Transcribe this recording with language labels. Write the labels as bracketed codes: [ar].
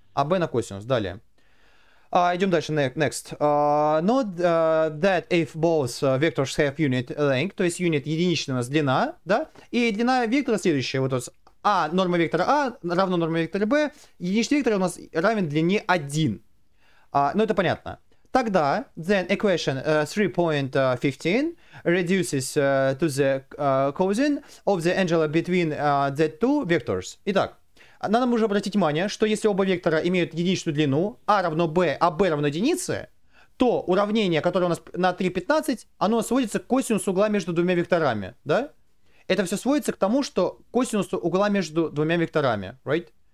[ru] А, Б на косинус. Далее. Идем дальше. Next. [en] Note that if both vectors have unit length, [ru] то есть unit единичная у нас длина, да? И длина вектора следующая. Вот тут А, норма вектора А равна норме вектора Б. Единичный вектор у нас равен длине 1. Ну, это понятно. [en] Тогда, then equation 3.15 reduces to the cosine of the angle between the two vectors. [ru] Итак, надо уже обратить внимание, что если оба вектора имеют единичную длину, а равно b, а b равно единице, то уравнение, которое у нас на 3.15, оно сводится к косинусу угла между двумя векторами, да? Это все сводится к тому, что косинус угла между двумя векторами, right?